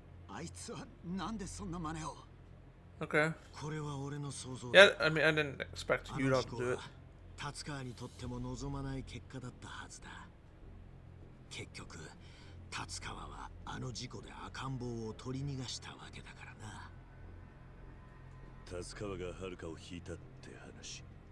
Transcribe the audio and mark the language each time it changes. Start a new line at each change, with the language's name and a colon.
Japanese: あいつはなんでそんな真似を。これは俺の想像だ。
English: Yeah, I mean, I didn't expect you to do it.
Japanese: 達川にとっても望まない結果だったはずだ。結局、達川はあの事故で赤ん坊を取り逃がしたわけだからな。達川が遥を引いたって話。